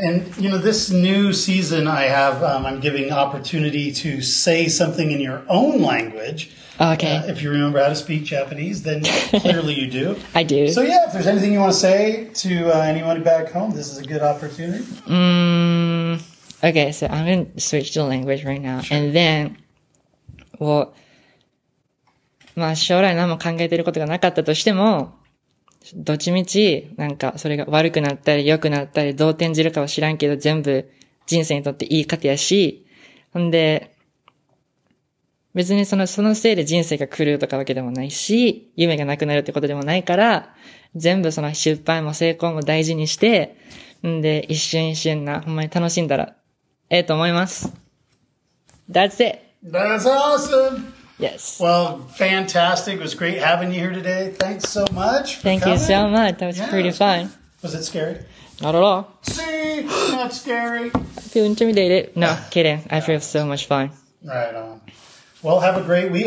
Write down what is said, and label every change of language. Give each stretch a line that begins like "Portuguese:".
English: And you know, this new season I have, I'm giving opportunity to say something in your own language. Okay. If you remember how to speak Japanese, then clearly you do. I do. So yeah, if there's anything you want to say to anyone back home, this is a good opportunity. Okay, so I'm going to switch to language right now.
Japanese: Sure. And then, well, まあ将来何も考えてることがなかったとしても、どっちみちなんかそれが悪くなったり良くなったりどう転じるかは知らんけど、全部人生にとっていい糧やし、ほんで、別にそのせいで人生が狂うとかわけでもないし、夢がなくなるってことでもないから、全部その失敗も成功も大事にして、んで一瞬一瞬な、ほんまに楽しんだら、ええと思います。
English: That's it! That's awesome! Yes. Well, fantastic. It was great having you here today. Thanks so much. Thank you so much. That was pretty fun. Was it scary? Not at all. See? Not scary. I feel intimidated. No, kidding. I feel so much fun. Right on. Well, have a great week.